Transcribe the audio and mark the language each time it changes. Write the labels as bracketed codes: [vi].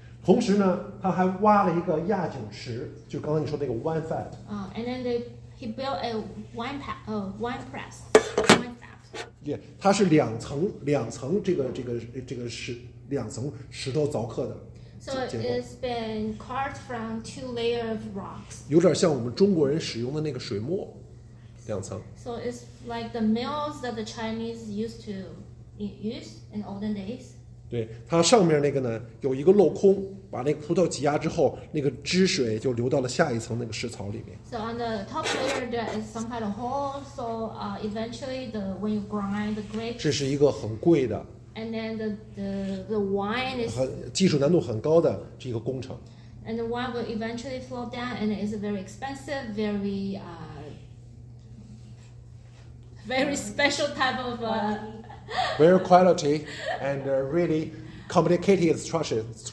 [zh] 同时呢，他还挖了一个亚景池，就刚刚你说那个 [en] wine vat. And then he built a wine press. [zh] Yeah, 它是两层这个是两层石头凿刻的。 [en] So it's been carved from two layers of rocks. [zh] 有点像我们中国人使用的那个水磨，两层。 [en] So it's like the mills that the Chinese used in olden days. [zh] 对，它上面那个呢有一个镂空，把那个葡萄挤压之后，那个汁水就流到了下一层那个石槽里面。 [en] So on the top layer there is some kind of hole. So eventually, when you grind the grapes, [zh] 这是一个很贵的 [en] And then the wine is [zh] 技术难度很高的这个工程。 [en] And the wine will eventually flow down, and it is a very expensive, very very special type of very quality and really complicated structure.